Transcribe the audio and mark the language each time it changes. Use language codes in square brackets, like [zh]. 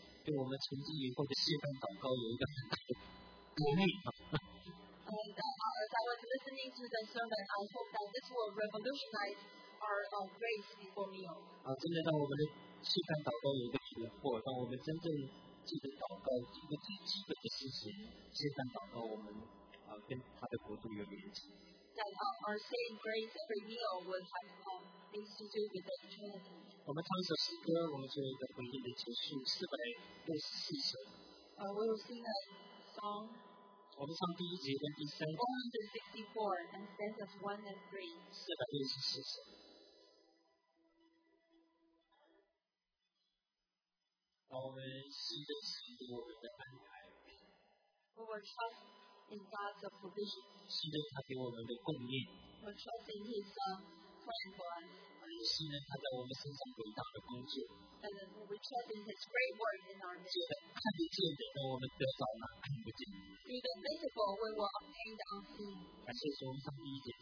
[en] As I was listening to the sermon, I hope that this will revolutionize our grace before meal. [zh] 真的让我们的吃饭祷告有一个突破，让我们真正记得祷告，记得最基本的事情，吃饭祷告，我们跟他的国度有连接。 [en] That that our saying grace every meal would have things to do with eternity. [zh] 我们唱一首诗歌，我们做一个回应的结束。 464首。 [en] We will sing a song. [zh] 我们唱第一节跟第三节。 [en] 464 and stanzas 1 and 3. [zh] 464首。我们信的是我们的安排。 [en] We will trust in God's provision. [zh] 信的他给我们的供应。 [en] We will trust in His plan for us. [zh] 信任他在我们身上伟大的工作。 [en] We trust in His great work in our midst. [zh] 看不见的，让我们得着那看不见的。 [en] Through the visible, we will obtain the unseen. [zh] 感谢主，我们上第一节的